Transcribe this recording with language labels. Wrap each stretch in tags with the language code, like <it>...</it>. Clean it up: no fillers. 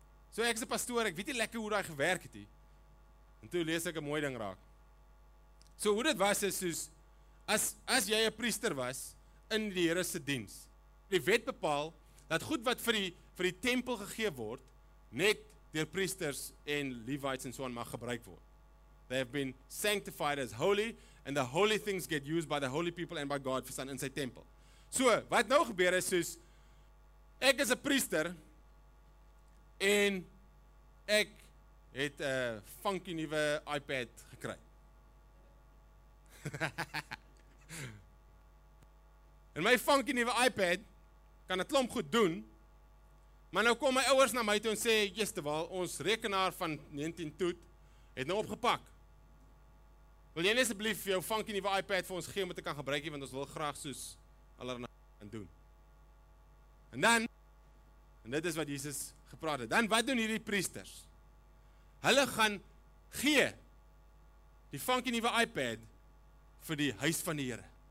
<af>So ek is 'n pastoor, ek weet nie lekker hoe daai gewerk het nie, en toe lees ek 'n mooi ding raak. So hoe dit was is soos, as jy 'n priester was, in die Here se diens, die wet bepaal, dat goed wat vir die tempel gegee word, net deur priesters en Levites en so aan mag gebruik word.</af> <en>They have been sanctified as holy, and the holy things get used by the holy people and by God for</en> <af>in sy tempel. So, wat nou gebeur is, soos, ek is 'n priester, en ek het 'n funky nuwe iPad gekry. En my funky nuwe iPad kan 'n klomp goed doen. Maar nou kom my ouers na my toe en sê, "Jesteval, ons rekenaar van 19 toet het nou opgepak. Wil jy net asseblief jou funky nuwe iPad vir ons gee om te kan gebruik hê, want ons wil graag soos allerhande kan doen." En dan, en dit is wat Jesus gepraat het. Dan wat doen hierdie priesters? Hulle gaan gee die funky nuwe iPad vir die huis van die Here.</af>